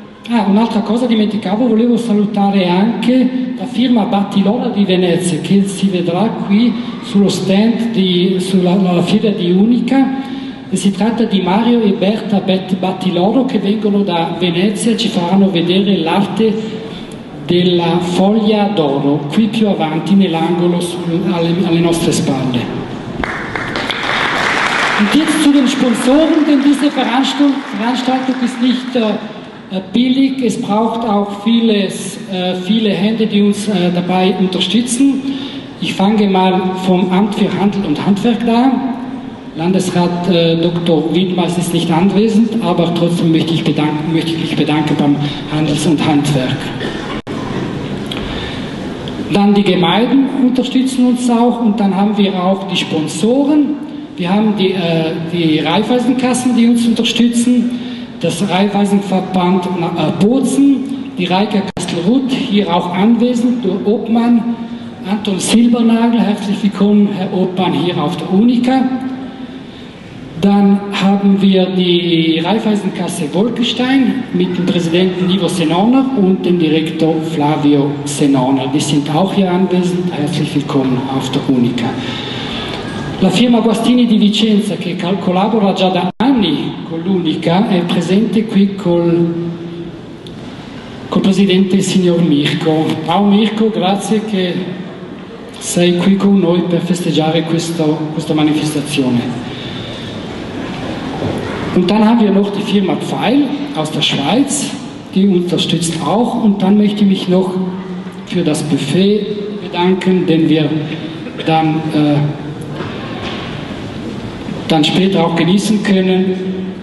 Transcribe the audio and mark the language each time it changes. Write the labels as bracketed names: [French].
[Italian] Un'altra cosa dimenticavo, volevo salutare anche la firma Battilola di Venezia, che si vedrà qui sullo stand sulla fiera di Unica. E si tratta di Mario e Berta Battiloro, che vengono da Venezia e ci faranno vedere l'arte della foglia d'oro, qui più avanti nell'angolo alle nostre spalle. [German] Und jetzt zu den Sponsoren, denn diese Veranstaltung ist nicht billig. Es braucht auch viele Hände, die uns dabei unterstützen. Ich fange mal vom Amt für Handel und Handwerk an. Landesrat Dr. Wildmeis ist nicht anwesend, aber trotzdem möchte ich mich bedanken beim Handels- und Handwerk. Dann die Gemeinden unterstützen uns auch und dann haben wir auch die Sponsoren. Wir haben die Raiffeisenkassen, die uns unterstützen, das Raiffeisenverband Bozen, die Reika Kastelruth, hier auch anwesend, der Obmann Anton Silbernagel, herzlich willkommen, Herr Obmann, hier auf der Unica. Dann haben wir die Raiffeisenkasse Wolkenstein mit dem Präsidenten Ivo Senoner und dem Direktor Flavio Senoner. Die sind auch hier anwesend, herzlich willkommen auf der Unica. [Italian] La firma Guastini di Vicenza, che collabora già da anni con l'Unica, è presente qui col presidente signor Mirko. Ciao Mirko, grazie che sei qui con noi per festeggiare questa manifestazione. [German] Und dann haben wir noch die Firma Pfeil aus der Schweiz, die unterstützt auch. Und dann möchte ich mich noch für das Buffet bedanken, denn wir dann später auch genießen können.